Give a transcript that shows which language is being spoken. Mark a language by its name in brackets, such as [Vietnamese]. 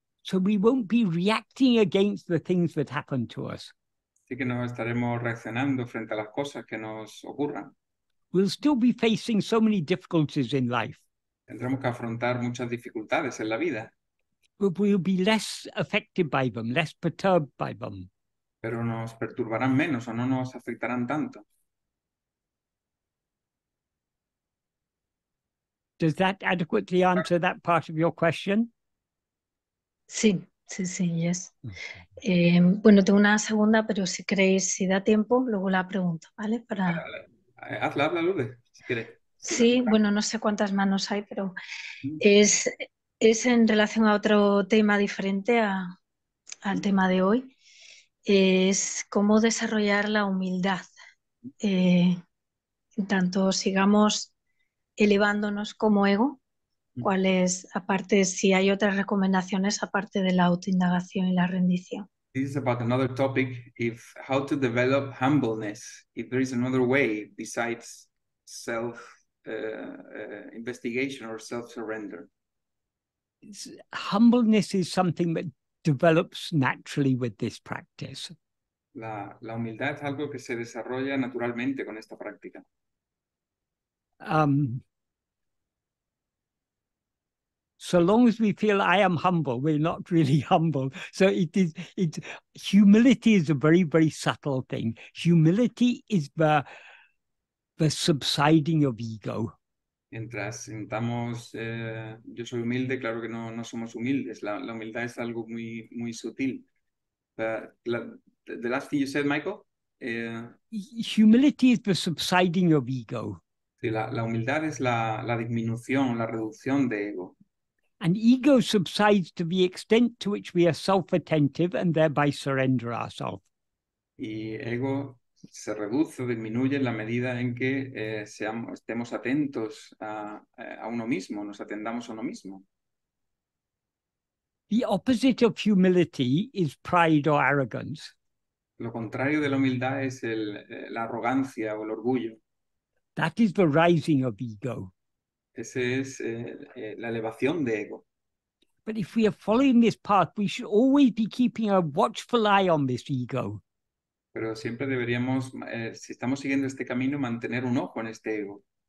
[English] So we won't be reacting against the things that happen to us. [Spanish] Así que no estaremos reaccionando frente a las cosas que nos ocurran. [English] We'll still be facing so many difficulties in life. [Spanish] Tendremos que afrontar muchas dificultades en la vida. [English] But we'll be less affected by them, less perturbed by them. [Spanish] Pero nos perturbarán menos o no nos afectarán tanto. [English] Does that adequately answer that part of your question? [Spanish] Sí, sí, sí, yes. Bueno, tengo una segunda, pero si queréis, si da tiempo, luego la pregunto, ¿vale? Para... Hazla, hazla, Lude, si quieres. Sí, bueno, no sé cuántas manos hay, pero es en relación a otro tema diferente al tema de hoy. Es cómo desarrollar la humildad. Tanto sigamos elevándonos como ego, ¿cuál es, aparte, si hay otras recomendaciones aparte de la autoindagación y la rendición? [English] This is about another topic, if how to develop humbleness, if there is another way besides self investigation or self surrender. Humbleness is something that develops naturally with this practice. [Spanish] La humildad es algo que se desarrolla naturalmente con esta práctica. [English] So long as we feel I am humble, we're not really humble. So humility is a very, very subtle thing. Humility is the subsiding of ego. [Spanish] Mientras sintamos yo soy humilde, claro que no somos humildes. La humildad es algo muy, muy sutil. [English] The last thing you said, Michael? Humility is the subsiding of ego. [Spanish] Sí, la humildad es la disminución, la reducción de ego. [English] And ego subsides to the extent to which we are self-attentive and thereby surrender ourselves. [Spanish] Y ego se reduce, disminuye en la medida en que estemos atentos a uno mismo, nos atendamos a uno mismo. [English] The opposite of humility is pride or arrogance. [Spanish] Lo contrario de la humildad es la arrogancia o el orgullo. [English] That is the rising of ego. [Spanish] Ese es la elevación de ego. [English] But if we are following this path, we should always be keeping a watchful eye on this ego. [Spanish] Pero siempre deberíamos, si estamos siguiendo este camino, mantener un ojo en este ego.